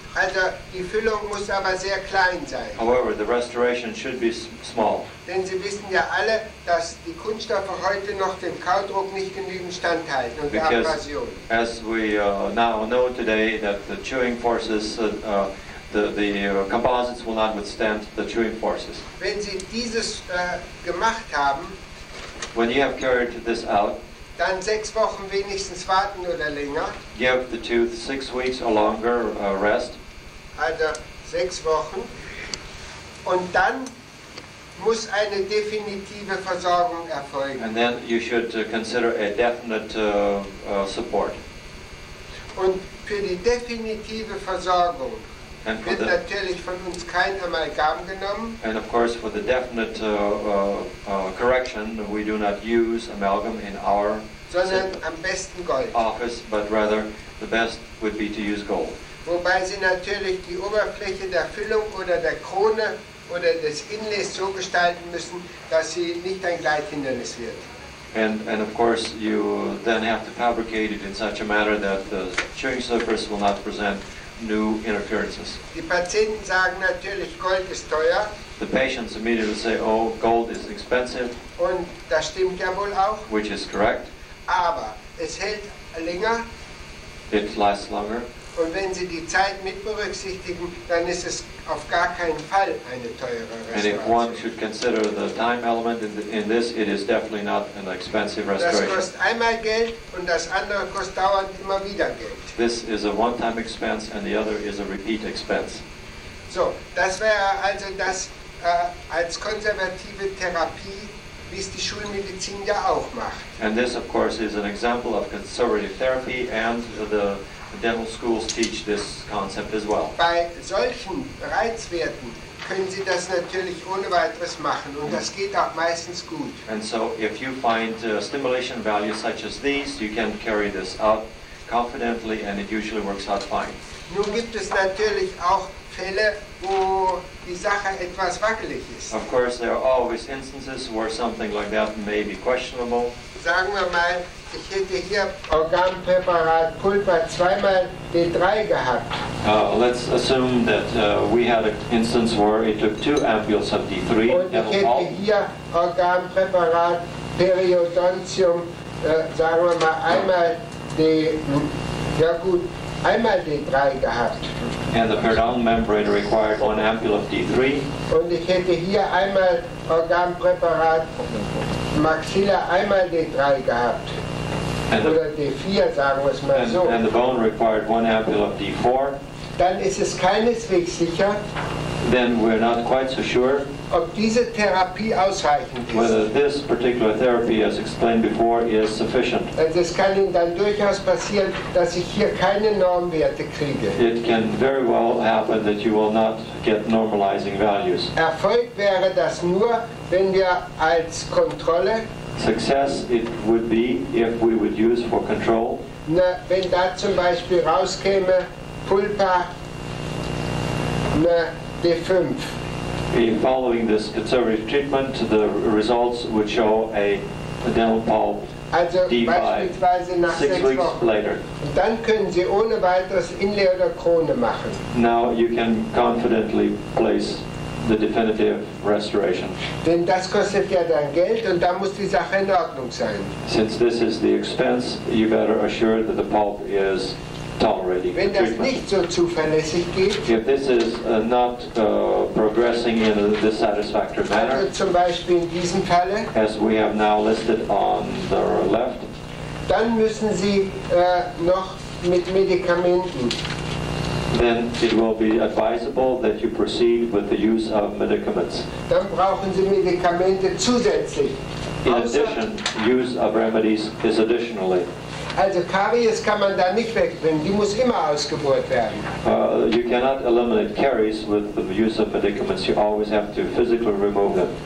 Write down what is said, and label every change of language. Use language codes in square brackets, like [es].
[de] Also die Füllung muss aber sehr klein sein. [en] However, the restoration should be small. [de] Denn Sie wissen ja alle, dass die Kunststoffe heute noch dem Kaudruck nicht genügend standhalten und [en] because [de] der Abrasion. [en] As we now know today that the chewing forces the composites will not withstand the chewing forces. [de] Wenn Sie dieses gemacht haben, [en] when you have carried this out, [de] dann 6 Wochen wenigstens warten oder länger. [en] Give the tooth 6 weeks or longer rest. [de] Also 6 Wochen. Und dann muss eine definitive Versorgung erfolgen. [en] And then you should consider a definite support. [de] Und für die definitive Versorgung wird natürlich von uns kein Amalgam genommen. [en] And of course for the definite correction, we do not use amalgam in our [de] am besten Gold. [en] Office, but rather the best would be to use gold. [de] Wobei Sie natürlich die Oberfläche der Füllung oder der Krone oder des Inlays so gestalten müssen, dass sie nicht ein Gleithindernis wird. [en] And of course you then have to fabricate it in such a manner that the chewing surface will not present new interferences. [de] Die Patienten sagen natürlich, Gold ist teuer. [en] The patients immediately say, oh, gold is expensive. [de] Und das stimmt ja wohl auch. [en] Which is correct. [de] Aber es hält länger. [en] it lasts longer. [de] Und wenn Sie die Zeit mit berücksichtigen, dann ist es auf gar keinen Fall eine teure Restauration. [en] And if one should consider the time element in this, it is definitely not an expensive restoration. [de] Das kostet einmal Geld und das andere kostet dauernd immer wieder Geld. [en] This is a one-time expense and the other is a repeat expense. [de] So, das wäre also das als konservative Therapie, wie es die Schulmedizin ja auch macht. [en] And this, of course, is an example of conservative therapy, and the dental schools teach this concept as well. [de] Bei solchen Reizwerten können Sie das natürlich ohne weiteres machen, und das geht auch meistens gut. [en] And so, if you find stimulation values such as these, you can carry this out confidently, and it usually works out fine. [de] Nun gibt es natürlich auch Fälle, wo die Sache etwas wackelig ist. [en] Of course, there are always instances where something like that may be questionable. [de] Sagen wir mal, ich hätte hier Organpräparat Pulver 2x D3 gehabt. [en] Let's assume that we had an instance where it took 2 ampules of D3. [de] Und ich hätte hier Organpräparat Periodontium, sagen wir mal, einmal D3 gehabt. [en] And the periodontal membrane required 1 ampule of D3. [de] Und ich hätte hier einmal Organpräparat Maxilla einmal D3 gehabt. Oder D4, sagen wir es mal so. [en] And the bone required 1 ampule of D4. [de] Dann ist es keineswegs sicher, [en] then we're not quite so sure, [de] ob diese Therapie ausreichend ist. [en] Whether this particular therapy, as explained before, is sufficient. [de] Also es kann Ihnen dann durchaus passieren, dass ich hier keine Normwerte kriege. [en] It can very well happen that you will not get normalizing values. [de] Erfolg wäre das nur, wenn wir als Kontrolle, [en] success it would be if we would use for control, [de] na, wenn da zum Beispiel rauskäme, Pulpa, na, D5. [en] In following this conservative treatment, the results would show a dental pulp [de] also D5 [en] 6 weeks later. [de] Dann können Sie ohne weiteres Inlay oder Krone machen. [en] Now you can confidently place the definitive restoration. [de] Denn das kostet ja dann Geld, und dann muss die Sache in Ordnung sein. [en] Since this is the expense, you better assure that the pulp is tolerating. [de] Wenn das nicht so zuverlässig geht, [en] if this is not progressing in a dissatisfactory manner, [de] also zum Beispiel in diesem Falle, [en] as we have now listed on the left, [de] dann müssen Sie noch mit Medikamenten. [en] Then it will be advisable that you proceed with the use of medicaments. [de] Dann brauchen Sie Medikamente zusätzlich. [en] In addition, use of remedies is additionally. [de] Also Karies kann man da nicht wegbringen, die muss immer ausgebohrt werden. [en] You cannot eliminate caries with the use of medicaments, you always have to physically remove them.